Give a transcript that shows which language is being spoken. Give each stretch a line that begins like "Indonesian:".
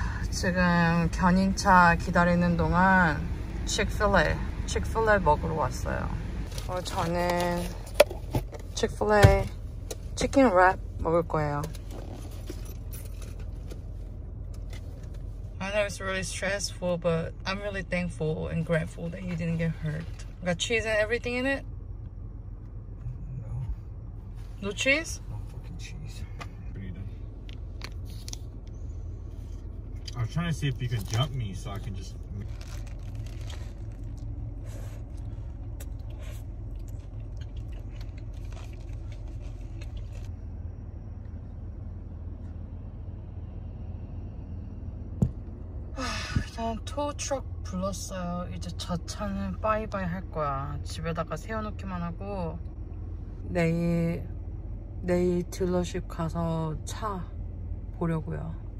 Korean: 지금 견인차 기다리는 동안 칙필레 먹으러 왔어요. 저는 칙필레 치킨 랩 먹을 거예요.
English: I know it's really stressful, but I'm really thankful and grateful that you didn't get hurt. Got cheese and everything in it? No. No cheese? No fucking cheese. I was trying to see if you could jump me so I can just... Tow truck
Korean: 불렀어요. 이제 저 차는 바이바이 할 거야. 집에다가 세워놓기만 하고 내일 딜러십 가서 차 보려고요.